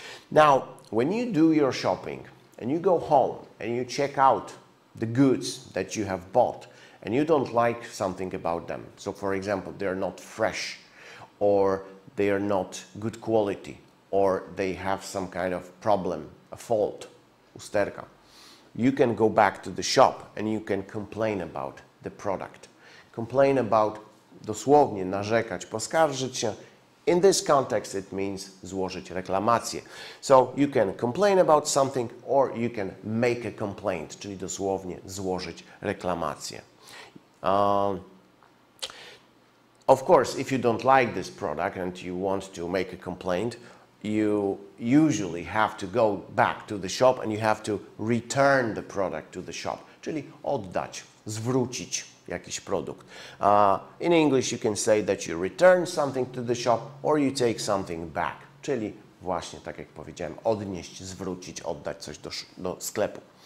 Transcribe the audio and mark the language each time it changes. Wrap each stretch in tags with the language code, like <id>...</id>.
<en>Now, when you do your shopping and you go home and you check out the goods that you have bought and you don't like something about them, so for example, they are not fresh, or they are not good quality, or they have some kind of problem, a fault, usterka, you can go back to the shop and you can complain about the product. Complain about,</en> <pl>dosłownie, narzekać, poskarżyć się.</pl> <en>In this context, it means</en> <pl>złożyć reklamację.</pl> <en>So you can complain about something, or you can make a complaint,</en> <pl>czyli dosłownie złożyć reklamację.</pl> <en>Of course, if you don't like this product and you want to make a complaint, you usually have to go back to the shop and you have to return the product to the shop,</en> <pl>czyli oddać, zwrócić jakiś produkt.</pl> <en>In English you can say that you return something to the shop or you take something back.</en> <pl>Czyli właśnie tak jak powiedziałem, odnieść, zwrócić, oddać coś do sklepu.</pl>